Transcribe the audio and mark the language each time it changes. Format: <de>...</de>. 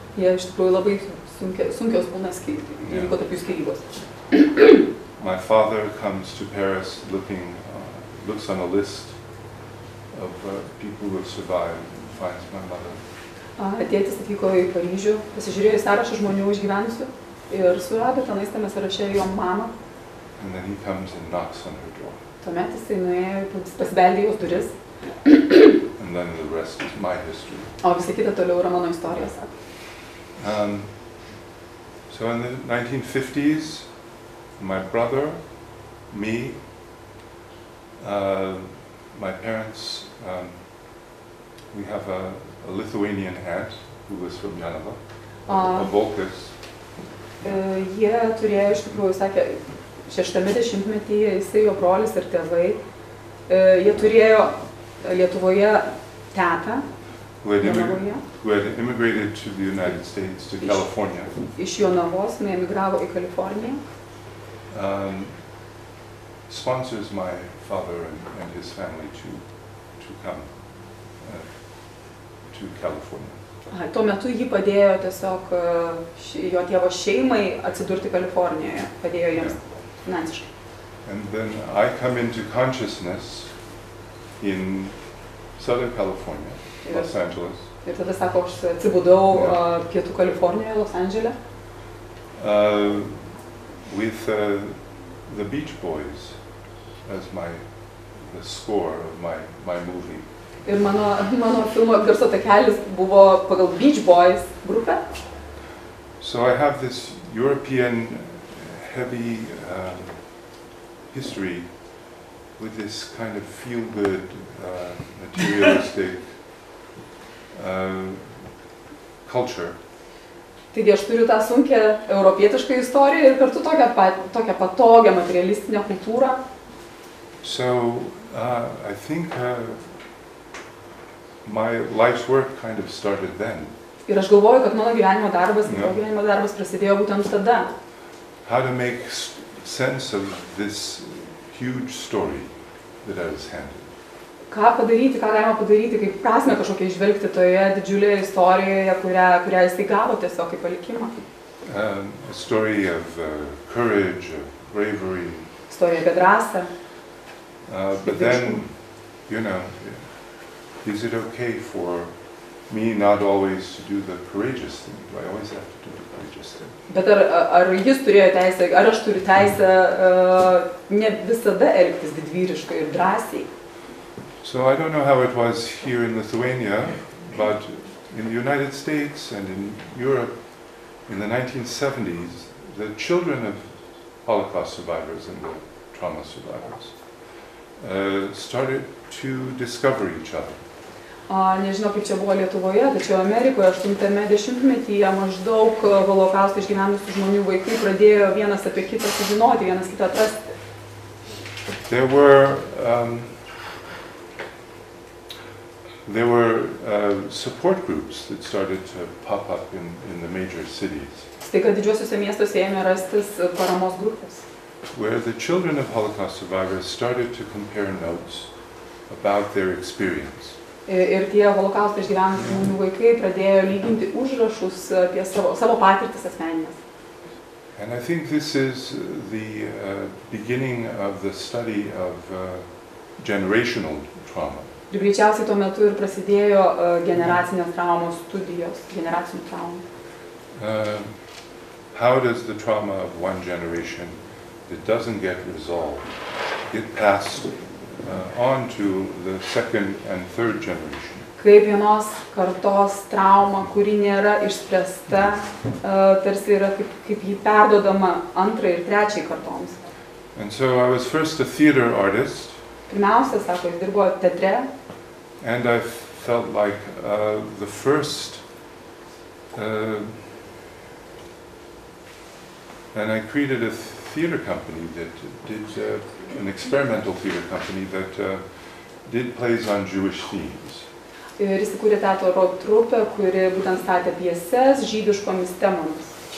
<lt>Jie iš tikrųjų labai sunkios būna įvyko tarp jų skyrybos.</lt> <en>My father comes to Paris looking, looks on a list of people who have survived and finds my mother.</en> <lt>Tėtis atvyko į Paryžių, pasižiūrėjo į sąrašą žmonių išgyvenusių ir surado tenais tame sąraše jo mamą.</lt> <en>And then he comes and knocks on her door.</en> <lt>Tuomet jisai nuėjo pasibeldė jos duris.</lt> <en>And then the rest is my history.</en> <lt>O visa kita toliau yra mano istorija.</lt> <en>So in the 1950s, my brother, me, my parents, we have a Lithuanian aunt who was from Jonava, a Volkis.</en> <lt>Jie turėjo, iš tikrųjų, sakė, šeštame dešimtmetyje, jisai jo brolis ir tėvai, jie turėjo Lietuvoje tetą.</lt> <en>Who had immigrated to the United States, to California.</en> <lt>Iš Jonavos emigravo į Kaliforniją.</lt> <en>Sponsors my father and his family to come to California.</en> <lt>Tuo metu jį padėjo tiesiog jo tėvo šeimai atsidurti Kalifornijoje, padėjo jiems finansiškai.</lt> <en>And then I come into consciousness in Southern California. Los Angeles.</en> <lt>Ir tada sako, aš atsibūdau pietų Kalifornijoje, Los Angeles.</lt> <en>With the Beach Boys as the score of my movie.</en> <lt>Ir mano filmo garso takelis buvo pagal Beach Boys grupę.</lt> <en>So I have this European heavy history with this kind of feel-good materialistic culture.</en> <lt>Taigi aš turiu tą sunkią europietišką istoriją ir kartu tokią patogią materialistinę kultūrą.</lt> <en>So, I think my life's work kind of started then.</en> <lt>Ir aš galvoju, kad mano gyvenimo darbas, mano gyvenimo darbas prasidėjo būtent tada.</lt> <en>How to make sense of this huge story that I was handed.</en> <lt>Ką padaryti, ką galima padaryti, kaip prasme kažkokia išvelgti toje didžiulėje istorijoje, kurią jis įgavo tiesiog kaip palikimą.</lt> <en>A story of courage, of bravery.</en> <lt>Istorija apie drąsą.</lt> <en>But then, you know, is it okay for me not always to do the courageous thing? Do I always have to do the courageous thing?</en> <lt>Bet ar jis turėjo teisę, ar aš turiu teisę ne visada elgtis didvyriškai ir drąsiai?</lt> <en>So I don't know how it was here in Lithuania, but in the United States and in Europe in the 1970s, the children of Holocaust survivors and the trauma survivors started to discover each other.</en> <lt>Nežinau, kaip čia buvo Lietuvoje, tačiau Amerikoje 8-ame dešimtmetyje maždaug Holokaustą išgyvenusių žmonių vaikų pradėjo vienas apie kitą sužinoti, vienas kitą atrasti.</lt> <en>There were support groups that started to pop up in the major cities.</en> <lt>Staiga didžiuosiuose miestuose ėmė rastis paramos grupės.</lt> <en>Where the children of Holocaust survivors started to compare notes about their experience.</en> <lt>Ir tie Holokaustą išgyvenusių vaikai pradėjo lyginti užrašus apie savo patirtis asmenines.</lt> <en>And I think this is the beginning of the study of generational trauma.</en> <lt>Ir greičiausiai tuo metu ir prasidėjo generacinės traumos studijos, generacinių traumų.</lt> <en>How does the trauma of one generation that doesn't get resolved get passed on to the second and third generation?</en> <lt>Kaip vienos kartos trauma, kuri nėra išspręsta, tarsi yra kaip ji perduodama antrai ir trečiai kartoms.</lt> <en>And so I was first a theater artist.</en> <lt>Pirmiausia, sako, jis dirbo teatre.</lt> <en>And I felt like the first, and I created a theater company that did an experimental theater company that did plays on Jewish themes.</en> <lt>Ir jis įkūrė teatro trupę, kuri būtent statė pjeses žydiškomis temomis.</lt>